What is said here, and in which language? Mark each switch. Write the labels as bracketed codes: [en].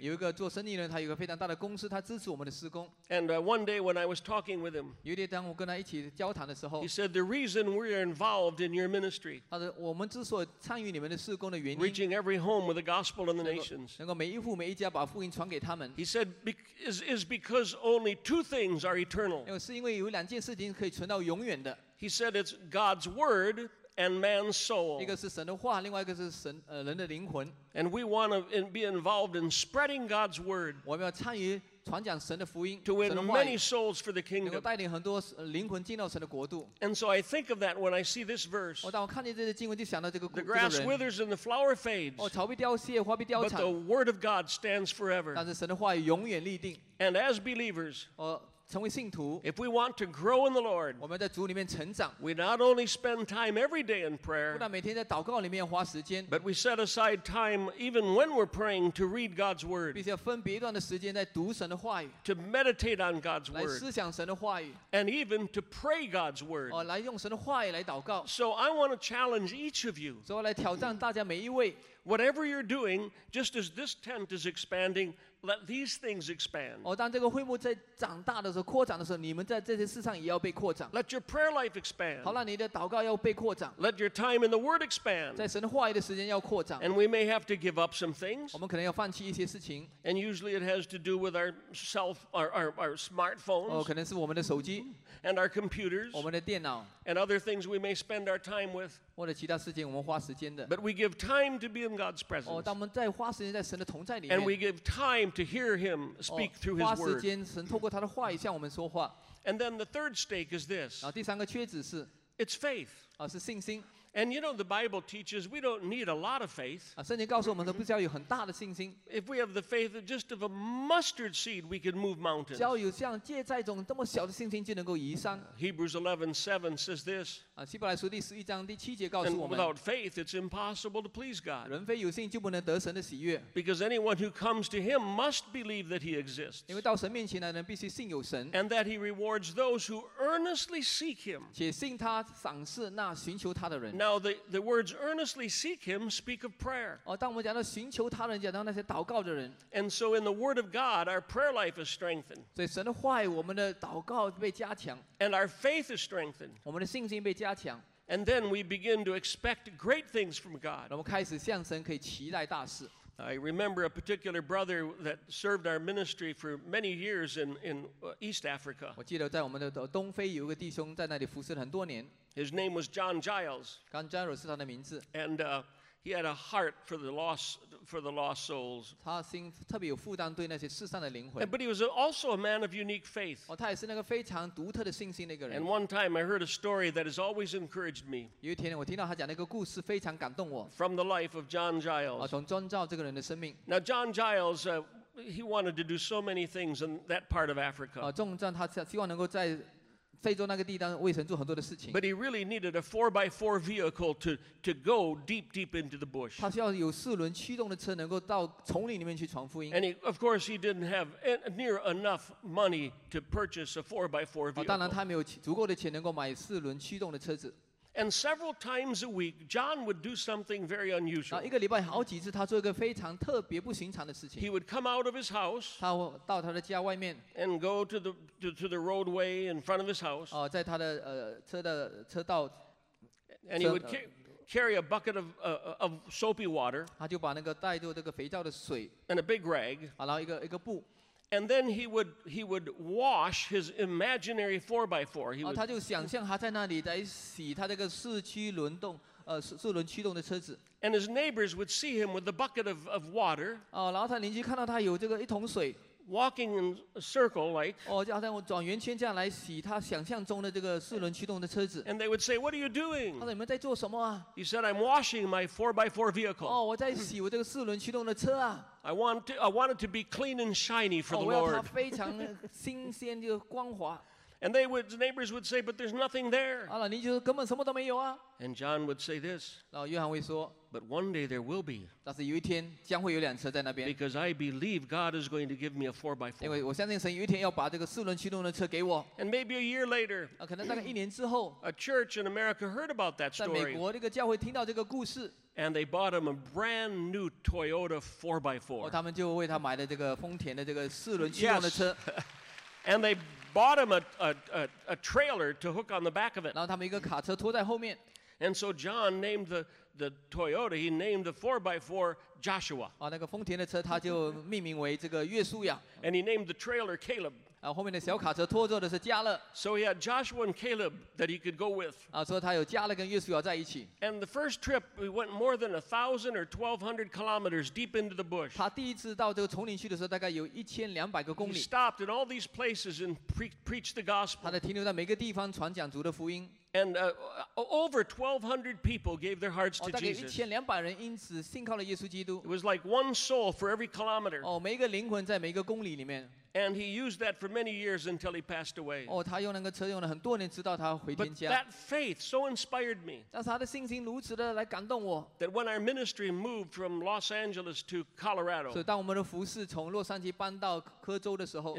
[en] And one day when I was talking with him, he said, the reason we are involved in your ministry, reaching every home with the gospel in the nations, he said, is because only two things are eternal. He said it's God's word and man's soul. [zh] 一个是神的话，另外一个是神人的灵魂。 [en] And we want to be involved in spreading God's word. [zh] 我们要参与传讲神的福音。 [en] To win many souls for the kingdom. [zh] 能够带领很多灵魂进到神的国度。 [en] And so I think of that when I see this verse. [zh] 当我看见这些经文，就想到这个。 [en] The grass withers and the flower fades. [zh] 草被凋谢，花被凋残。 [en] But the word of God stands forever. [zh] 但是神的话语永远立定。 [en] And as believers. [zh] 成为信徒, [en] if we want to grow in the Lord, [zh] 我们在主里面成长, [en] we not only spend time every day in prayer, [zh] 不但每天在祷告里面花时间, [en] but we set aside time even when we're praying to read God's word, [zh] 必须要分别一段的时间在读神的话语, [en] to meditate on God's word, [zh] 来思想神的话语, [en] and even to pray God's word, [zh] 来用神的话语来祷告。 [en] So I want to challenge each of you, [zh] 所以我来挑战大家每一位, [en] whatever you're doing, just as this tent is expanding, let these things expand. [zh] 哦，当这个会幕在长大的时候，扩展的时候，你们在这些事上也要被扩展。 [en] Let your prayer life expand. [zh] 好，让你的祷告要被扩展。 [en] Let your time in the Word expand. [zh] 在神话语的时间要扩展。 [en] And we may have to give up some things. [zh] 我们可能要放弃一些事情。 [en] And usually it has to do with our self, our smartphones. [zh] 哦，可能是我们的手机。 [en] And our computers. [zh] 我们的电脑。 [en] And other things we may spend our time with. [zh] 或者其他事情我们花时间的。 [en] But we give time to be in God's presence. [zh] 哦，当我们在花时间在神的同在里面。 [en] And we give time to hear Him speak through His word. [zh] 花时间，神透过他的话语向我们说话。 [en] And then the third stake is this. [zh] 然后第三个缺子是。 [en] It's faith. [zh] 哦，是信心。 [en] And you know the Bible teaches we don't need a lot of faith. [zh] 圣经告诉我们都不需要有很大的信心。 [en] If we have the faith of just of a mustard seed, we can move mountains. [zh] 只要有像芥菜种这么小的信心，就能够移山。 [en] Hebrews 11:7 says this. [zh] 希伯来书第十一章第七节告诉我们。 [en] And without faith, it's impossible to please God. [zh] 人非有信就不能得神的喜悦。 [en] Because anyone who comes to Him must believe that He exists. [zh] 因为到神面前来的人必须信有神。 [en] And that He rewards those who earnestly seek Him. [zh] 且信他赏赐那寻求他的人。 [en] Now the words earnestly seek him speak of prayer. [zh] 哦，当我们讲到寻求他人，讲到那些祷告的人。 [en] And so in the word of God, our prayer life is strengthened. [zh] 所以神的话语，我们的祷告被加强。 [en] And our faith is strengthened. [zh] 我们的信心被加强。 [en] And then we begin to expect great things from God. [zh] 我们开始向神可以期待大事。 [en] I remember a particular brother that served our ministry for many years in East Africa. [zh] 我记得在我们的东非有一个弟兄在那里服侍很多年。 [en] His name was John Giles. [zh] John Giles 是他的名字。 [en] And he had a heart for the lost souls. [zh] 他心特别有负担对那些世上的灵魂。 [en] But he was also a man of unique faith. [zh] 哦，他也是那个非常独特的信心的一个人。 [en] And one time I heard a story that has always encouraged me. [zh] 有一天我听到他讲那个故事，非常感动我。 [en] From the life of John Giles. [zh] 哦，从 John Giles 这个人的生命。 [en] Now John Giles. He wanted to do so many things in that part of Africa. [zh] 哦，纵然他希望能够在非洲那个地方为神做很多的事情。 [en] But he really needed a 4x4 vehicle to go deep into the bush. [zh] 他需要有四轮驱动的车，能够到丛林里面去传福音。 [en] And he, of course, he didn't have near enough money to purchase a 4x4 vehicle. [zh] 当然，他没有足够的钱能够买四轮驱动的车子。 [en] And several times a week, John would do something very unusual. [zh] 一个礼拜好几次，他做一个非常特别、不寻常的事情。 [en] He would come out of his house. [zh] 他到他的家外面。 [en] And go to the roadway in front of his house. [zh] 哦，在他的车的车道。 [en] And he would carry a bucket of soapy water. [zh] 他就把那个带着这个肥皂的水。 [en] And a big rag. [zh] 然后一个布。 [en] And then he would wash his imaginary 4x4. [zh] 哦，他就想象他在那里在洗他这个四驱轮动，四轮驱动的车子。 [en] And his neighbors would see him with the bucket of water. [zh] 哦，然后他邻居看到他有这个一桶水。 [en] Walking in a circle like. [zh] 哦，就好像我转圆圈这样来洗他想象中的这个四轮驱动的车子。 [en] And they would say, "What are you doing?" [zh] 他说：“你们在做什么啊？” [en] He said, "I'm washing my 4x4 vehicle." [zh] 哦，我在洗我这个四轮驱动的车啊。 [en] I want it to be clean and shiny for the Lord. [zh] 我要它非常新鲜又光滑。 [en] And the neighbors would say, "But there's nothing there." [zh] 啊，邻居根本什么都没有啊。 [en] And John would say this. [zh] 然后约翰会说。 [en] But one day there will be. [zh] 但是有一天将会有辆车在那边。 [en] Because I believe God is going to give me a 4x4. [zh] 因为我相信神有一天要把这个四轮驱动的车给我。 [en] And maybe a year later. [zh] 可能大概一年之后。 [en] A church in America heard about that story. [zh] 在美国这个教会听到这个故事。 [en] And they bought him a brand new Toyota 4x4. [zh] 他们就为他买了这个丰田的这个四轮驱动的车。 [en] And they bought him a trailer to hook on the back of it. [zh] 然后他们一个卡车拖在后面。 [en] And so John named the Toyota, he named the 4x4 Joshua. [zh] 啊，那个丰田的车他就命名为这个约书亚。 [en] And he named the trailer Caleb. [zh] 啊，后面的小卡车拖着的是加勒。 [en] So he had Joshua and Caleb that he could go with. [zh] 啊，所以他有加勒跟约书亚在一起。 [en] And the first trip, we went more than 1,000 or 1,200 kilometers deep into the bush. [zh] 他第一次到这个丛林去的时候，大概有1200个公里。 [en] He stopped in all these places and preached the gospel. [zh] 他在停留在每个地方传讲主的福音。 [en] And over 1,200 people gave their hearts to Jesus. [zh] 大概1,200人因此信靠了耶稣基督。 [en] It was like one soul for every kilometer. [zh] 哦，每一个灵魂在每一个公里里面。 [en] And he used that for many years until he passed away. [zh] 哦，他用那个车用了很多年，直到他回天家。 [en] But that faith so inspired me. [zh] 但是他的信心如此的来感动我。 [en] That when our ministry moved from Los Angeles to Colorado. [zh] 所以当我们的服事从洛杉矶搬到科州的时候。